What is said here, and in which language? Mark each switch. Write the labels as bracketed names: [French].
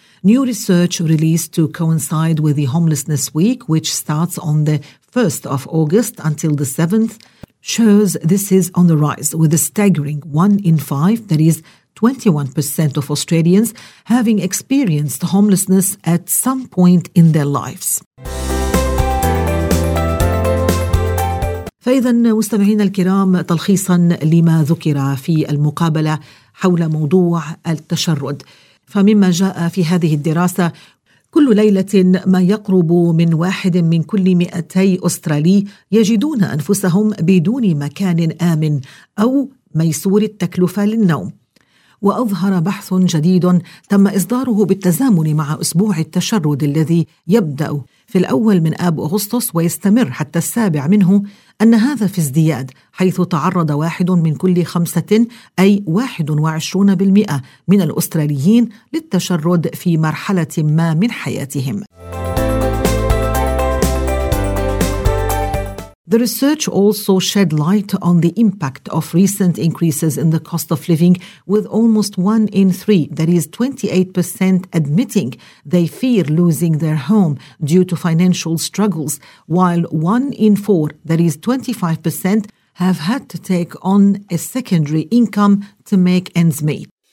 [English] New research released to coincide with the Homelessness Week, which starts on the 1st of August until the 7th, shows this is on the rise, with a staggering 1 in 5, that is 21% of Australians, having experienced homelessness at some point in their lives. [Arabic] فإذن مستمعينا الكرام، تلخيصا لما ذكر في المقابلة حول موضوع التشرد، فمما جاء في هذه الدراسة، كل ليلة ما يقرب من واحد من كل 200 أسترالي يجدون أنفسهم بدون مكان آمن أو ميسور التكلفة للنوم. وأظهر بحث جديد تم إصداره بالتزامن مع أسبوع التشرد الذي يبدأ في الأول من آب أغسطس ويستمر حتى السابع منه، أن هذا في ازدياد، حيث تعرض واحد من كل 5، أي 21% من الأستراليين، للتشرد في مرحلة ما من حياتهم. [English] The research also shed light on the impact of recent increases in the cost of living, with almost 1 in 3, that is 28%, admitting they fear losing their home due to financial struggles, while 1 in 4, that is 25%, have had to take on a secondary income to make ends meet.